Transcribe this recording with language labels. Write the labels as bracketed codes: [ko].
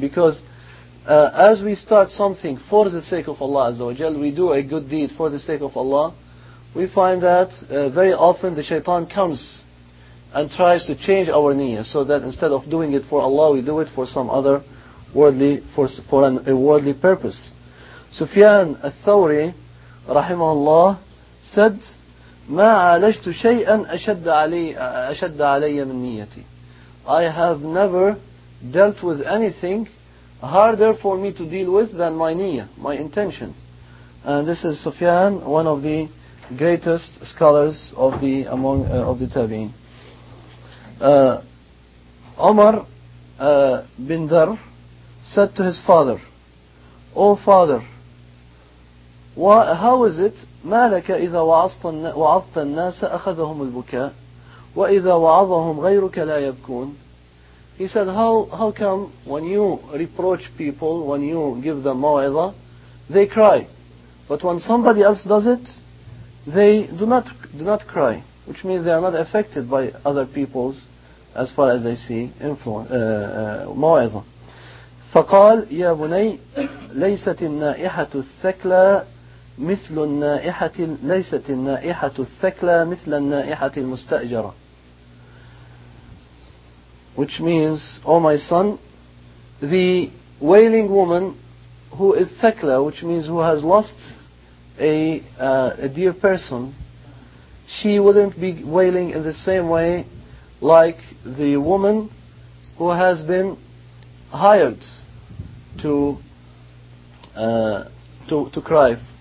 [en] Because as we start something for the sake of Allah Azza wa Jal, we do a good deed for the sake of Allah, we find that very often the shaitan comes and tries to change our niyyah, so that instead of doing it for Allah, we do it for some other worldly purpose. Sufyan al-Thawri rahimahullah said, [ar] ما عالجت شيئا أشد علي من نيتي. [en] I have never dealt with anything harder for me to deal with than my niyyah, my intention. And this is Sufyan, one of the greatest scholars of the of the Tabi'in. Umar bin Dhar said to his father, "O father, how is it? [ar] مالك إذا وعظت الناس أخذهم البكاء وإذا وعظهم غيرك لا يبكون." [en] He said, how come when you reproach people, when you give them mawa'idha, they cry, but when somebody else does it, they do not cry, which means they are not affected by other people's, as far as they see, influence mawa'idha. [ar] فقال يا بني ليست النائحة الثكلى مثل النائحة ليست النائحة الثكلى مثل النائحة المستأجرة. [en] Which means, O my son, the wailing woman who is thekla, which means who has lost a dear person, she wouldn't be wailing in the same way like the woman who has been hired to cry.